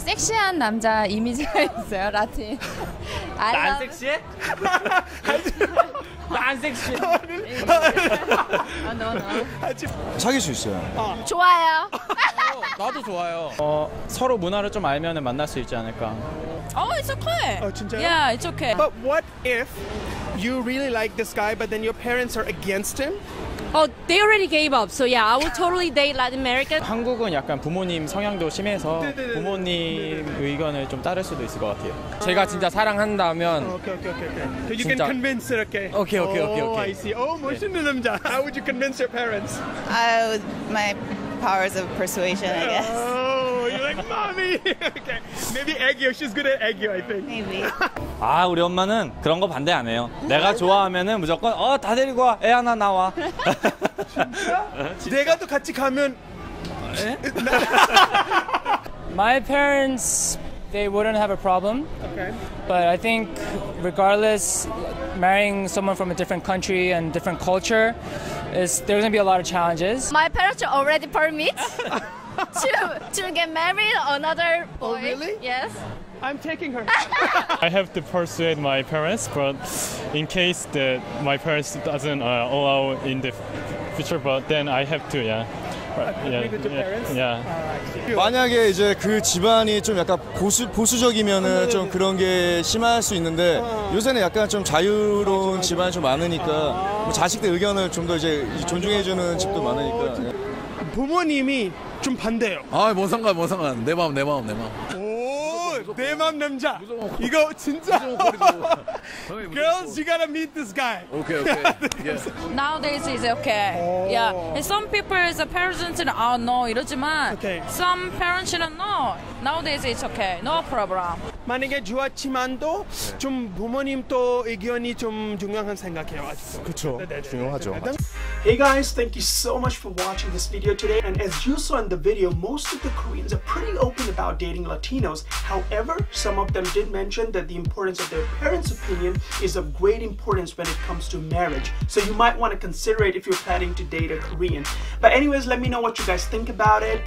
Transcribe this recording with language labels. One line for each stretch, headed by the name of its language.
Korean: 섹시한 남자 이미지가 있어요, 라틴. 나 안 섹시해? 나 안 섹시해. 너. 사귈 수 있어요. 좋아요. 나도 좋아요. 서로 문화를 좀 알면 만날 수 있지 않을까.
English: Oh, it's okay.
Korean: Oh, 진짜요?
English: Yeah, it's okay. But what if you really like this guy, but then your parents are against him? Oh, they already gave up. So yeah, I would totally date Latin American.
Korean: 한국은 약간 부모님 성향도 심해서 부모님 의견을 좀 따를 수도 있을 것 같아요. 제가 진짜 사랑한다면.
English: Okay. So you can convince her, okay? Okay. I see. Oh,
Korean: 멋있는 남자.
English: How would you convince your parents? My powers of persuasion, I guess. Okay. Maybe Aegyo. She's good at Aegyo, I think. Maybe.
Korean: 아, 우리 엄마는 그런 거 반대 안 해요. 내가 좋아하면은 무조건 다 데리고 와. 애 하나 나와. 진짜? 내가 또 같이 가면
English: My parents they wouldn't have a problem. Okay. But I think regardless marrying someone from a different country and different culture is there's going to be a lot of challenges. My parents already permit. to get married another boy. Oh, really? Yes. I'm taking her. I have to persuade my parents, but in case that my parents doesn't allow in the future, but then I have to, yeah. Yeah.
Korean: 만약에 이제 그 집안이 좀 약간 보수적이면은 좀 그런 게 심할 수 있는데 요새는 약간 좀 자유로운 집안이 좀 많으니까 뭐 자식들 의견을 좀 더 이제 존중해 주는 집도 많으니까. 부모님이 좀 반대요. 아, 뭔 상관. 내 마음. 오, 내 마음 남자. 이거 진짜.
English: Girls, you gotta meet this guy. Okay. Yeah. Nowadays it's okay. Yeah. And some people is a parents and oh no,
Korean: 이러지만.
English: Okay. Some parents and no. Nowadays it's okay. No problem.
Korean: 만약에 좋았지만도 좀 부모님 또 의견이 좀 중요한 생각해요. 그렇죠. 중요하죠.
English: Hey guys, thank you so much for watching this video today. And as you saw in the video, most of the Koreans are pretty open about dating Latinos. However, some of them did mention that the importance of their parents' opinion is of great importance when it comes to marriage. So you might want to consider it if you're planning to date a Korean. But anyways, let me know what you guys think about it.